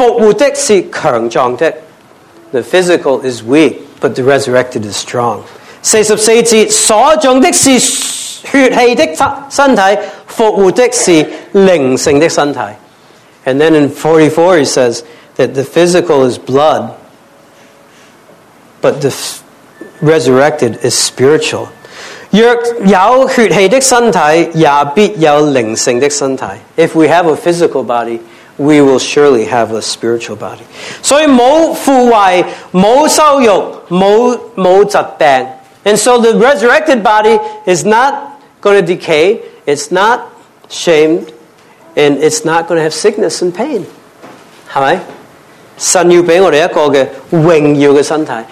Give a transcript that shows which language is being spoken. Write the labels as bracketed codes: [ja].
[zh] 所中的是软弱的，复活的是强壮的。 [en] The physical is weak, but the resurrected is strong. [zh] 44节，所中的是血气的身体，复活的是灵性的身体。 [en] And then in 44 he says that the physical is blood, but the resurrected is spiritual. [zh] 若有血气的身体，也必有灵性的身体。 [en] If we have a physical body, we will surely have a spiritual body. [zh] 所以没有腐坏，没有羞辱，没有疾病。 [en] And so the resurrected body is not going to decay, it's not shamed, and it's not going to have sickness and pain. [zh] 是吧? 神要给我们一个荣耀的身体。